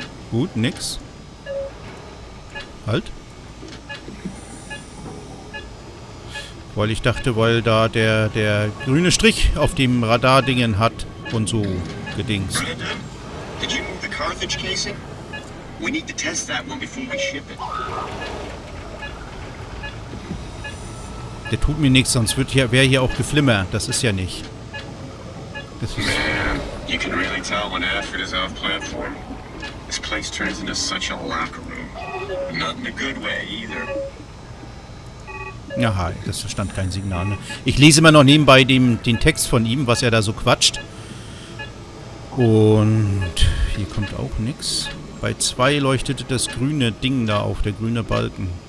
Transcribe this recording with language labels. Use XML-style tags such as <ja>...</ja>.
<de>Gut, nix. Halt. Weil ich dachte, weil da der grüne Strich auf dem Radar-Dingen hat und so gedings.</de> <en>Did you move the Carthage casing? We need to test that one before we ship it.</en> <de>Der tut mir nichts, sonst wäre hier auch Geflimmer. Das ist ja nicht. Das ist.</de> <en>Man, you can really tell when Alfred is off platform. This place turns into such a locker room. Not in a good way either.</en> <de>Aha, das stand kein Signal. Ne? Ich lese immer noch nebenbei den Text von ihm, was er da so quatscht. Und hier kommt auch nichts. Bei 2 leuchtete das grüne Ding da auf, der grüne Balken.</de>